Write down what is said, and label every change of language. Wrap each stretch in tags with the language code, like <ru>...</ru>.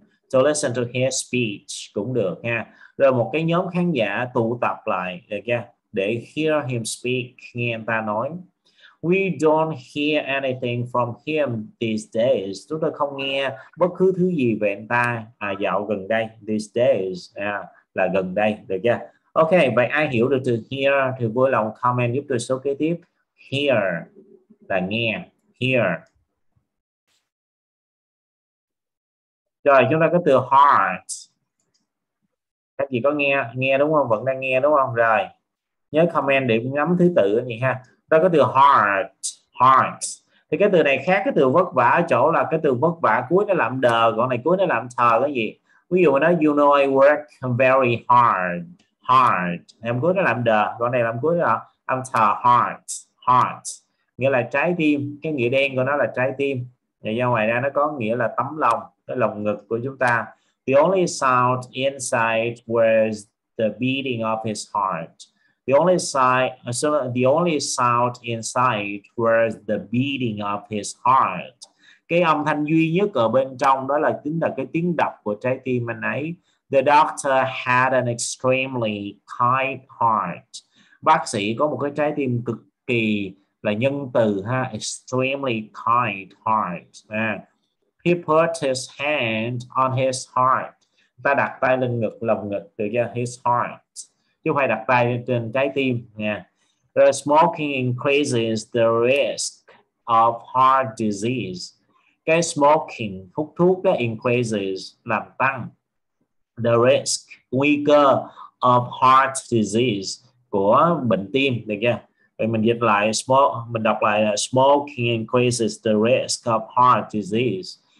<en>To listen to his speech</en> <vi>cũng được ha. Rồi một cái nhóm khán giả tụ tập lại được chưa? Để</vi> <en>hear him speak,</en> <vi>nghe anh ta nói.</vi> <en>We don't hear anything from him these days.</en> <vi>Chúng ta không nghe bất cứ thứ gì về anh ta dạo gần đây,</vi> <en>these days</en> <vi>là gần đây, được chưa? Ok, vậy ai hiểu được từ hear thì vui lòng comment giúp tôi số kế tiếp. Hear là nghe, hear. Rồi chúng ta có từ heart. Các chị có nghe nghe đúng không? Vẫn đang nghe đúng không? Rồi. Nhớ comment để ngắm thứ tự gì ha. Ta có từ heart, heart. Thì cái từ này khác cái từ vất vả ở chỗ là cái từ vất vả cuối nó làm đờ, còn này cuối nó làm thờ cái gì? Ví dụ mình nói</vi> <en>you know I work very hard, hard.</en> <vi>Em cuối nó làm đờ, còn này làm cuối là âm thờ heart, heart. Nghĩa là trái tim, cái nghĩa đen của nó là trái tim. Vậy ra ngoài ra nó có nghĩa là tấm lòng, cái lồng ngực của chúng ta.</vi> <en>The only sound inside was the beating of his heart. The only sound inside was the beating of his heart.</en> <vi>cái âm thanh duy nhất ở bên trong đó là chính là cái tiếng đập của trái tim anh ấy.</vi> <en>The doctor had an extremely kind heart.</en> <vi>Bác sĩ có một cái trái tim cực kỳ là nhân từ ha,</vi> <en>extremely kind heart. He put his hand on his heart.</en> <vi>Ta đặt tay lên ngực, lồng ngực, từ cho</vi> <en>his heart.</en> <vi>Chứ phải đặt tay trên trái tim nha.</vi> <en>The smoking increases the risk of heart disease.</en> <vi>Cái smoking, hút thuốc đó,</vi> <en>increases,</en> <vi>làm tăng</vi> <en>the risk,</en> <vi>nguy cơ</vi> <en>of heart disease,</en> <vi>của bệnh tim, được chưa? Vậy mình dịch lại, mình đọc lại là</vi> <en>smoking increases the risk of heart disease.</en>